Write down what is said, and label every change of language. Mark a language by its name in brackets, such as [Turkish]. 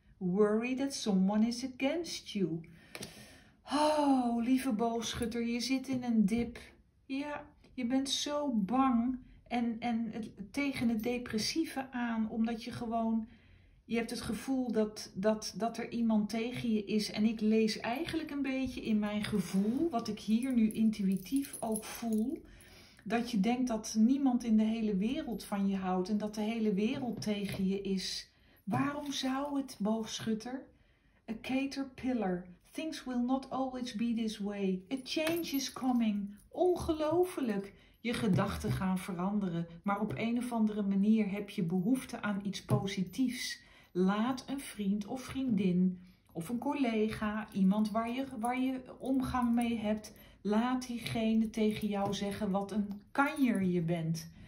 [English] Worry that someone is against you. [Dutch] Oh, lieve boogschutter, je zit in een dip. Ja, je bent zo bang en tegen het depressieve aan, omdat je gewoon, je hebt het gevoel dat er iemand tegen je is. En ik lees eigenlijk een beetje in mijn gevoel, wat ik hier nu intuïtief ook voel, dat je denkt dat niemand in de hele wereld van je houdt en dat de hele wereld tegen je is. Waarom zou het, boogschutter? [English] A caterpillar. Things will not always be this way. A change is coming. [Dutch] Ongelooflijk. Je gedachten gaan veranderen. Maar op een of andere manier heb je behoefte aan iets positiefs. Laat een vriend of vriendin of een collega, iemand waar je omgang mee hebt, laat diegene tegen jou zeggen wat een kanjer je bent.